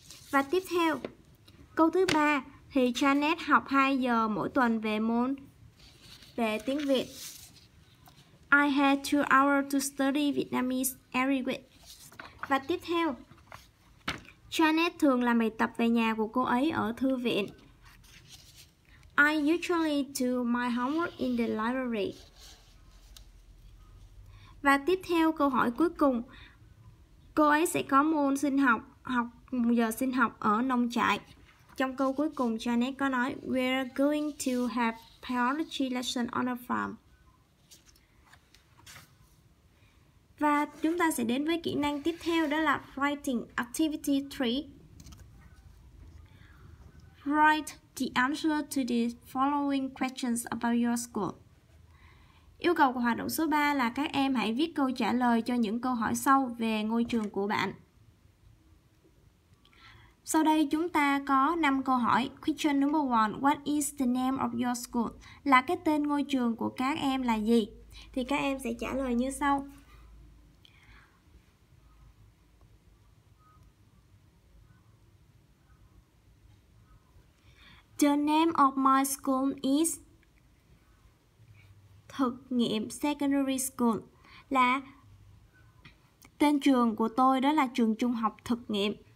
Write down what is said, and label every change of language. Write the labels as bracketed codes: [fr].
[vi] Và tiếp theo, câu thứ 3 thì Janet học 2 giờ mỗi tuần về môn về tiếng Việt. [en] I had 2 hours to study Vietnamese every week. [vi] Và tiếp theo, Janet thường làm bài tập về nhà của cô ấy ở thư viện. [en] I usually do my homework in the library. [vi] Và tiếp theo câu hỏi cuối cùng, cô ấy sẽ có môn sinh học, học giờ sinh học ở nông trại. Trong câu cuối cùng, Janet có nói [en] we're going to have biology lesson on a farm. [vi] Và chúng ta sẽ đến với kỹ năng tiếp theo, đó là [en] writing activity 3. Write the answer to the following questions about your school. [vi] Yêu cầu của hoạt động số 3 là các em hãy viết câu trả lời cho những câu hỏi sau về ngôi trường của bạn. Sau đây chúng ta có 5 câu hỏi. [en] Question number 1, what is the name of your school? [vi] Là cái tên ngôi trường của các em là gì? Thì các em sẽ trả lời như sau. [en] The name of my school is Thực nghiệm Secondary School. [vi] Là tên trường của tôi đó là trường trung học thực nghiệm.